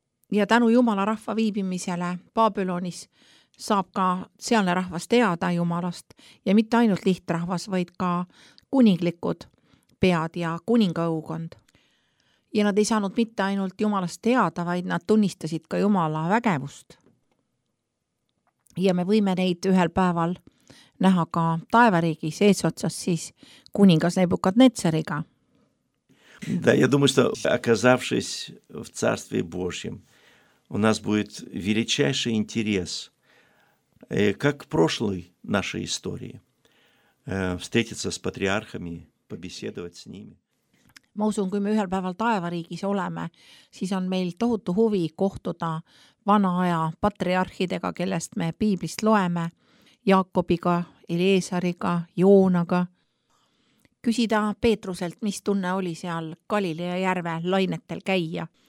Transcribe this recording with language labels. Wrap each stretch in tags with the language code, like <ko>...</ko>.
<et>Ja tänu Jumala rahva viibimisele Babylonis saab ka sealne rahvas teada Jumalast ja mitte ainult lihtrahvas, vaid ka kuninglikud pead ja kuningaõukond. Ja nad ei saanud mitte ainult Jumalast teada, vaid nad tunnistasid ka Jumala vägevust. Ja me võime neid ühel päeval näha ka taevariigis eesotsas siis kuningas Nebukadnetseriga.</et> <ru>Да, я думаю, что оказавшись в Царстве Божьем, у нас будет величайший интерес как к прошлой нашей истории встретиться с патриархами, побеседовать с ними.</ru> <et>Ma usun, kui me ühel päeval taevariigis oleme, siis on meil tohutu huvi kohtuda vana aja patriarhidega, kellest me piiblist loeme, Jaakobiga, Eliesariga, Joonaga. Küsida Peetruselt, mis tunne oli seal Galilea järve lainetel käia.</et>